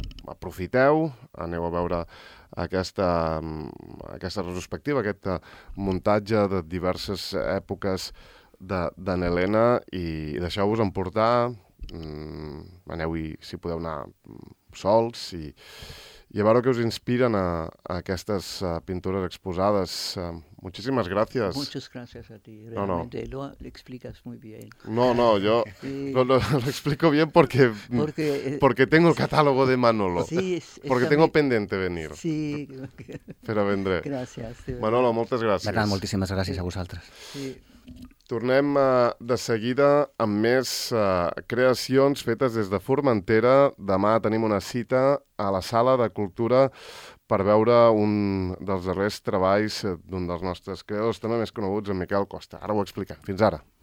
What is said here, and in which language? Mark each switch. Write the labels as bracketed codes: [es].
[ca] Aprofiteu, aneu a veure aquesta retrospectiva, aquest muntatge de diverses èpoques d'en Elena, i deixeu-vos emportar. Aneu-hi, si podeu anar sols, i a veure què us inspiren a aquestes pintures exposades. Moltíssimes gràcies. Moltes gràcies a ti. Realment, no. Lo expliques [es] muy bien. No, [ca] jo [es] lo explico bien porque tengo el catálogo de Manolo. Sí, porque tengo pendiente venir. Sí. [ca] Però vendré. Gràcies. Manolo, moltes gràcies. Bernat, moltíssimes gràcies a vosaltres. Sí. Tornem de seguida amb més creacions fetes des de Formentera. Demà tenim una cita a la Sala de Cultura per veure un dels darrers treballs d'un dels nostres creadors, també més coneguts, en Miquel Costa. Ara ho expliquem. Fins ara.